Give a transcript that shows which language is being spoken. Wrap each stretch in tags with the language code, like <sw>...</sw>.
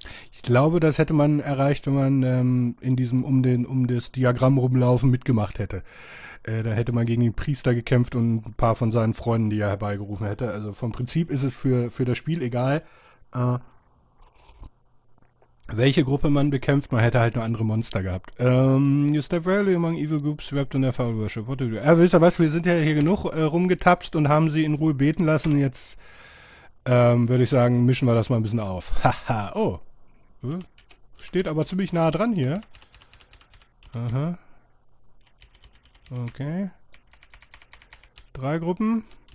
<de>Ich glaube, das hätte man erreicht, wenn man in diesem um das Diagramm rumlaufen mitgemacht hätte. Da hätte man gegen den Priester gekämpft und ein paar von seinen Freunden, die er herbeigerufen hätte. Also vom Prinzip ist es für das Spiel egal, welche Gruppe man bekämpft. Man hätte halt nur andere Monster gehabt.</de> <en>You step rarely among evil groups wrapped in their foul worship. What do you do?</en> <de>Wisst ihr was? Wir sind ja hier genug rumgetapst und haben sie in Ruhe beten lassen. Jetzt würde ich sagen, mischen wir das mal ein bisschen auf. Haha, oh. Steht aber ziemlich nah dran hier. Aha. Okay. Drei Gruppen.</de>